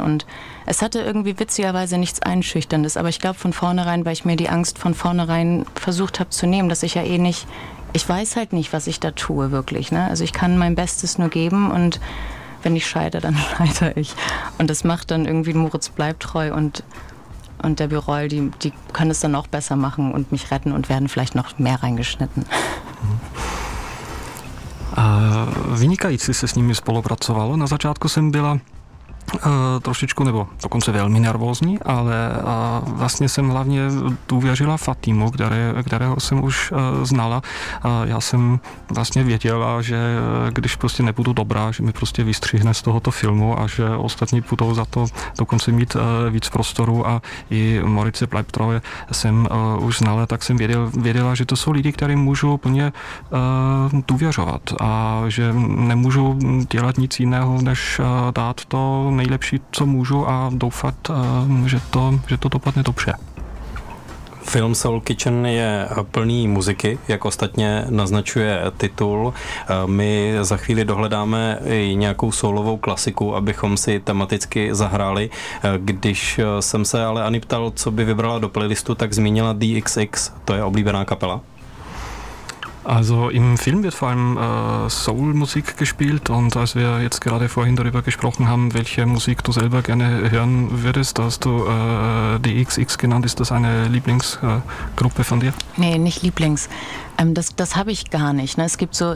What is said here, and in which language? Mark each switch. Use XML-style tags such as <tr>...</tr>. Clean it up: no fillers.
<de>Und es hatte irgendwie witzigerweise nichts Einschüchterndes, aber ich glaube von vornherein, weil ich mir die Angst von vornherein versucht habe zu nehmen, dass ich ja eh nicht, ich weiß halt nicht, was ich da tue wirklich. Ne? Also ich kann mein Bestes nur geben und wenn ich scheide, dann scheide ich. Und das macht dann irgendwie, Moritz bleibt treu und der Birol, die können es dann auch besser machen und mich retten und werden vielleicht noch mehr reingeschnitten.</de> <cs>Vynikající se s nimi spolupracovalo. Na začátku jsem byla trošičku, nebo dokonce velmi nervózní, ale vlastně jsem hlavně důvěřila Fatimu, kterého jsem už znala. Já jsem vlastně věděla, že když prostě nebudu dobrá, že mi prostě vystřihne z tohoto filmu a že ostatní budou za to dokonce mít víc prostoru a i Morice Pleptrove jsem už znala, tak jsem věděla, že to jsou lidi, kterým můžu plně důvěřovat a že nemůžu dělat nic jiného, než dát to nejlepší, co můžu a doufat, že to dopadne dobře. Film Soul Kitchen je plný muziky, jak ostatně naznačuje titul. My za chvíli dohledáme i nějakou soulovou klasiku, abychom si tematicky zahráli. Když jsem se ale Ani ptal, co by vybrala do playlistu, tak zmínila DXX, to je oblíbená kapela.</cs> <de>Also im Film wird vor allem Soul-Musik gespielt und als wir jetzt gerade vorhin darüber gesprochen haben, welche Musik du selber gerne hören würdest, da hast du DXX genannt. Ist das eine Lieblingsgruppe von dir? Nee, nicht Lieblings. Das habe ich gar nicht. Ne?</de>